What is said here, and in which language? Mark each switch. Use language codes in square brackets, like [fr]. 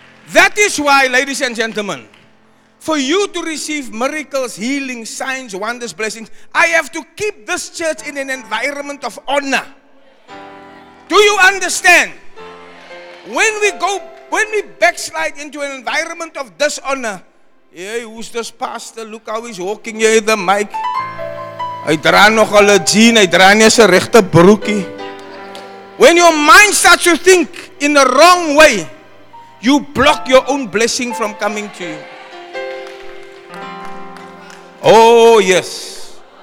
[en] That is why, ladies and gentlemen, for you to receive miracles, healing, signs, wonders, blessings, I have to keep this church in an environment of honor. Do you understand? When we backslide into an environment of dishonor, hey, who's this pastor? Look how he's walking here at the mic. [af] Hy dra nog al 'n jean, hy dra nie 'n regte broekie. [en] When your mind starts to think in the wrong way, you block your own blessing from coming to you. Oh, yes.